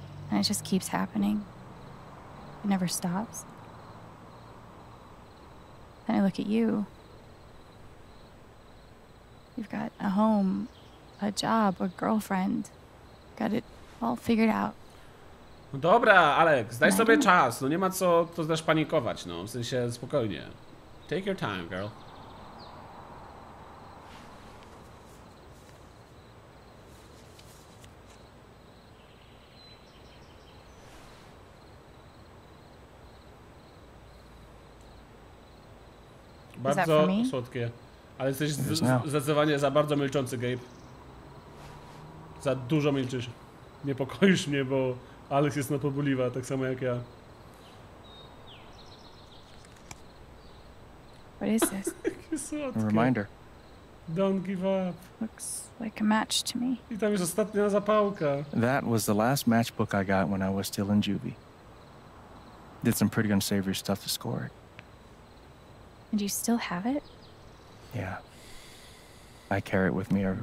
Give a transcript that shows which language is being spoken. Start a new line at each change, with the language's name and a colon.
English: And it just keeps happening. It never stops. Then I look at you. You've got a home, a job, a girlfriend. Got it all figured out.
Polish: No dobra, Alex, daj sobie czas. No nie ma co to zdasz panikować, no. W sensie spokojnie.
English: Take your time, girl.
Polish: Bardzo słodkie. Ale jesteś zdecydowanie za bardzo milczący, Gabe. Za dużo milczysz. Niepokoisz mnie, bo Alex jest napobuliwa, tak samo jak ja.
English: What is this?
Polish: Jakie słodkie.
English: A reminder. Don't give up. Looks like a match to me.
Polish: I tam jest ostatnia zapałka.
English: That was the last matchbook I got when I was still in juvie. Did some pretty unsavory stuff to score it. And you still have it? Yeah. I carry it with me everywhere.